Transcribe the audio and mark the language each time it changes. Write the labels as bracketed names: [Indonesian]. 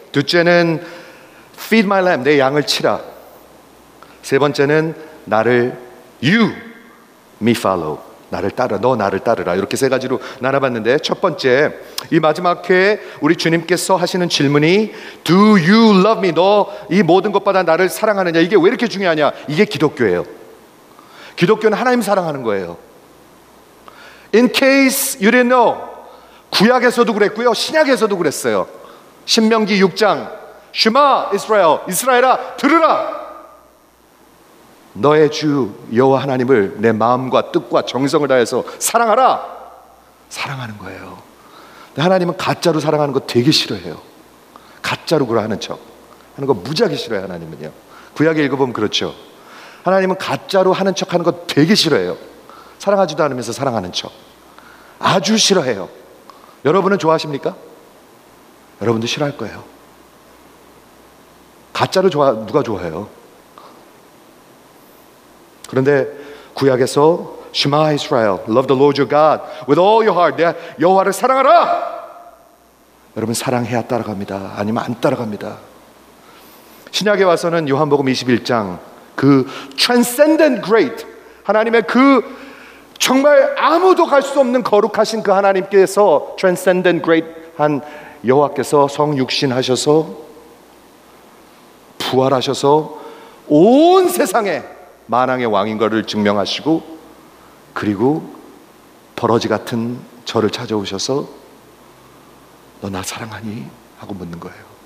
[Korean] 둘째는 [English] Feed my lamb, [Korean] 내 양을 치라. 세 번째는 나를 [English] You, me follow, [Korean] 나를 따라, 너 나를 따르라. 이렇게 세 가지로 나눠봤는데 첫 번째, 이 마지막 회에 우리 주님께서 하시는 질문이 [English] Do you love me? [Korean] 너 이 모든 것보다 나를 사랑하느냐? 이게 왜 이렇게 중요하냐? 이게 기독교예요. 기독교는 하나님 사랑하는 거예요. [English] In case you didn't know, [Korean] 구약에서도 그랬고요, 신약에서도 그랬어요. 신명기 6장 Shema Israel, 이스라엘아 들으라. 너의 주 여호와 하나님을 내 마음과 뜻과 정성을 다해서 사랑하라. 사랑하는 거예요. 근데 하나님은 가짜로 사랑하는 거 되게 싫어해요. 가짜로 그러 하는 척 하는 거 무지하게 싫어해요, 하나님은요. 구약에 읽어보면 그렇죠. 하나님은 가짜로 하는 척 하는 거 되게 싫어해요. 사랑하지도 않으면서 사랑하는 척 아주 싫어해요. 여러분은 좋아하십니까? 여러분도 싫어할 거예요. 가짜를 누가 좋아해요? 그런데 구약에서 [English] Shema Israel, Love the Lord your God with all your heart, [Korean] 내 여호와를 사랑하라. 여러분 사랑해야 따라갑니다, 아니면 안 따라갑니다. 신약에 와서는 요한복음 21장 그 Transcendent Great, 하나님의 그 정말 아무도 갈 수 없는 거룩하신 그 하나님께서 Transcendent Great 한 여호와께서 성육신하셔서 부활하셔서 온 세상에 만왕의 왕인 것을 증명하시고, 그리고 버러지 같은 저를 찾아오셔서 너 나 사랑하니? 하고 묻는 거예요.